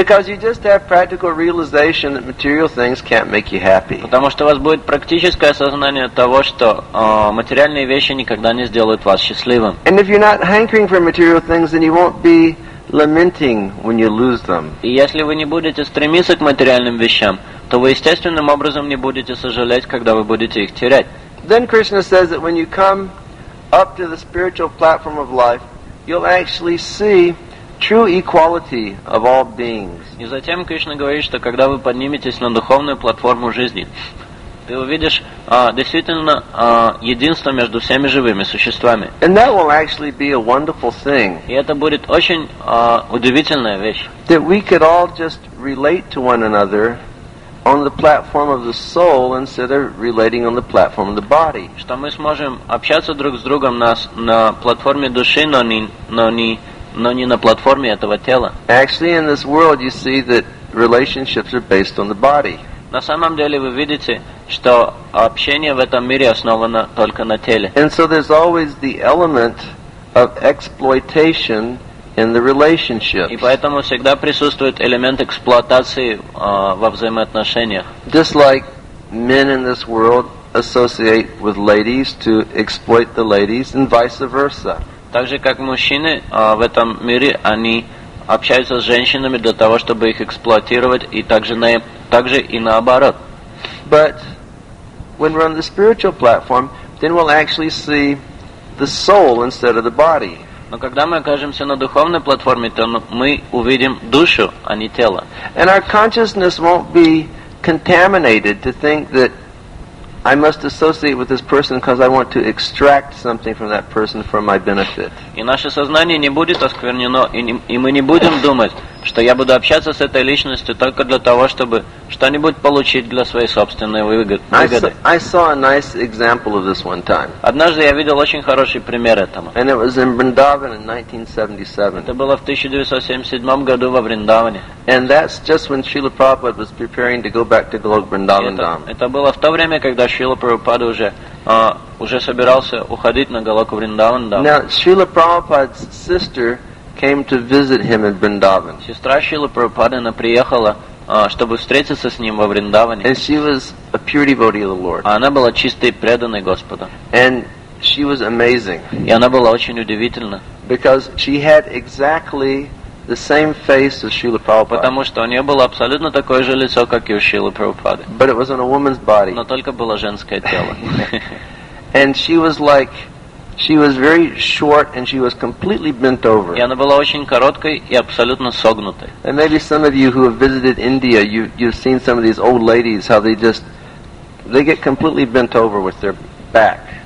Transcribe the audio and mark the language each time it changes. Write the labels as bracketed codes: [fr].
[en] Because you just have practical realization that material things can't make you happy. [ru] Потому что у вас будет практическое осознание того, что материальные вещи никогда не сделают вас счастливым. [en] And if you're not hankering for material things, then you won't be lamenting when you lose them. [ru] И если вы не будете стремиться к материальным вещам, то вы естественным образом не будете сожалеть, когда вы будете их терять. [en] Then Krishna says that when you come up to the spiritual platform of life, you'll actually see true equality of all beings. [ru] И затем Кришна говорит, что когда вы подниметесь на духовную платформу жизни, ты увидишь действительно единство между всеми живыми существами. [en] And that will actually be a wonderful thing. [ru] И это будет очень удивительная вещь. [en] That we could all just relate to one another on the platform of the soul instead of relating on the platform of the body. [ru] Что мы сможем общаться друг с другом на платформе души, но не но не на платформе этого тела. [en] Actually, in this world, you see that relationships are based on the body. [ru] На самом деле вы видите, что общение в этом мире основано только на теле. [en] And so there's always the element of exploitation in the relationship. [ru] И поэтому всегда присутствует элемент эксплуатации во взаимоотношениях. [en] Just like men in this world associate with ladies to exploit the ladies and vice versa. [ru] Так же как мужчины в этом мире они общаются с женщинами для того, чтобы их эксплуатировать, и также и наоборот. [en] But when we're on the spiritual platform, then we'll actually see the soul instead of the body. [ru] Но когда мы окажемся на духовной платформе, то мы увидим душу, а не тело. [en] And our consciousness won't be contaminated to think that I must associate with this person because I want to extract something from that person for my benefit. [ru] И наше сознание не будет осквернено, и мы не будем думать, что я буду общаться с этой личностью только для того, чтобы что-нибудь получить для своей собственной выгоды. [en] I saw a nice example of this one time. [ru] Однажды я видел очень хороший пример этому. [en] And it was in Vrindavan in 1977. [ru] Это было в 1977 году во Вриндаване. [en] And that's just when Srila Prabhupada was preparing to go back to Golok Vrindavan Dham. [ru] Это было в то время, когда Шрила Прабхупада уже собирался уходить на Голоку Вриндаван Дам. [en] Now Srila Prabhupada's sister came to visit him in Vrindavan. [ru] Сестра Шрилы Прабхупады приехала, чтобы встретиться с ним во Вриндаване. [en] And she was a pure devotee of the Lord. [ru] Она была чистой преданной Господа. [en] And she was amazing. [ru] И она была очень удивительна. [en] Because she had exactly the same face as Srila Prabhupada. [ru] Потому что у нее было абсолютно такое же лицо, как и у Шрилы Прабхупады. [en] But it was on a woman's body. [ru] Но только было женское тело. [en] And she was like, she was very short and she was completely bent over. [ru] И она была очень короткой и абсолютно согнутой. [en] And maybe some of you who have visited India, you've seen some of these old ladies, how they get completely bent over with their back.